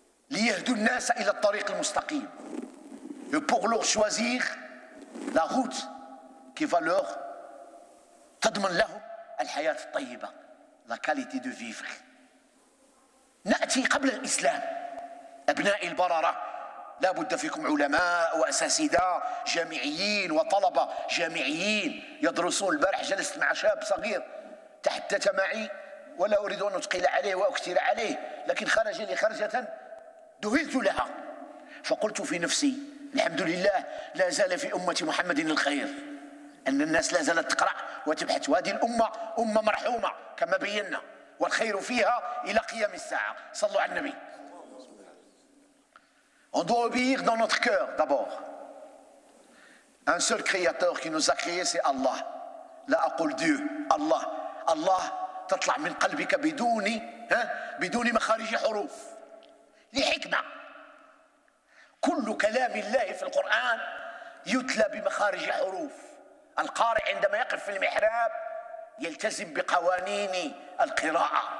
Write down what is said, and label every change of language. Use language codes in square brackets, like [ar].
[ar] ليهدوا الناس إلى الطريق المستقيم. [fr] Et pour leur choisir la route qui va leur [ar] تضمن لهم الحياة الطيبة. [fr] La qualité de vivre. [ar] نأتي قبل الإسلام. أبناء البررة، لا بد فيكم علماء وأساسيدة جامعيين وطلبة جامعيين يدرسون. البارح جلست مع شاب صغير تحدث معي، ولا أريد أن أثقل عليه وأكثر عليه، لكن خرج لي خرجة دهلت لها، فقلت في نفسي: الحمد لله لا زال في أمة محمد الخير، أن الناس لا زالت تقرأ وتبحث. وهذه الأمة أمة مرحومة كما بينا، والخير فيها إلى قيام الساعة. صلوا على النبي. [fr] On doit obéir dans notre cœur d'abord. Un seul créateur qui nous a créé, c'est Allah. La aqul Dieu, Allah. [ar] Allah, تطلع من قلبك بدون بدون مخارج حروف. لحكمة. كل كلام الله في القرآن يتلى بمخارج حروف. القارئ عندما يقف في المحراب يلتزم بقوانين القراءة.